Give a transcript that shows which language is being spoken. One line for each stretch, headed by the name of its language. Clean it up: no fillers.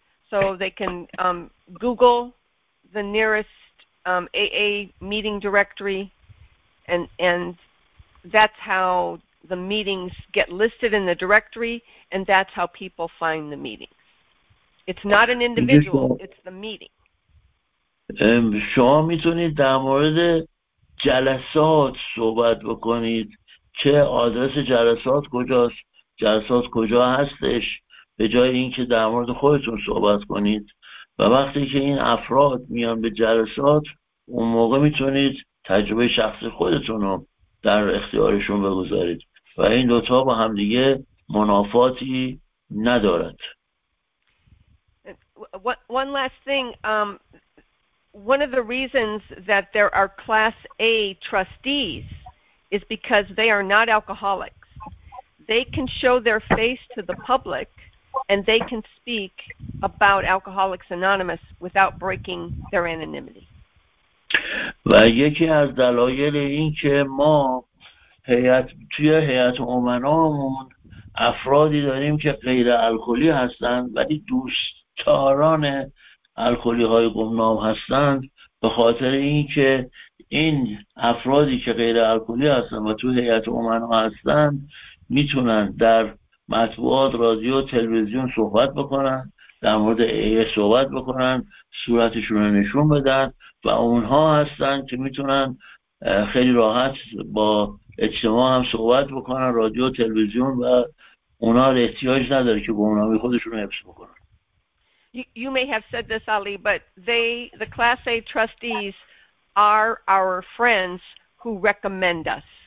English: So they can Google the nearest AA meeting directory, and that's how the meetings get listed in the directory, and that's how people find the meetings. It's not an individual, it's the meeting.
Persian: شما میتونید در مورد جلسات صحبت بکنید که آدرس جلسات کجاست، جلسات کجا هستش، به جای اینکه در مورد خودتون صحبت کنید. و وقتی که این افراد میان به جلسات، اون موقع میتونید تجربه شخصی خودتون رو در اختیارشون بگذارید و این دوتا با همدیگه منافاتی ندارد.
English: One last thing. One of the reasons that there are Class A trustees is because they are not alcoholics. They can show their face to the public, and they can speak about Alcoholics Anonymous without breaking their anonymity.
Persian: و یکی از دلایل این که ما توی هیئت امنامون افرادی داریم که غیر الکلی هستند ولی دوستداران الکلی های گمنام هستند، به خاطر اینکه این افرادی که غیر الکلی هستند و تو هیئت امنا هستند میتونن در مطبوعات، رادیو، تلویزیون صحبت بکنن، در مورد AA صحبت بکنن، صورتشون رو نشون بدن و اونها هستند که میتونن خیلی راحت با اجتماع هم صحبت بکنن، رادیو، تلویزیون، و اونها احتیاج نداره که گمنامی خودشون رو حفظ بکنن.
English: You may have said this, Ali, but they, the Class A trustees, are our friends who recommend us.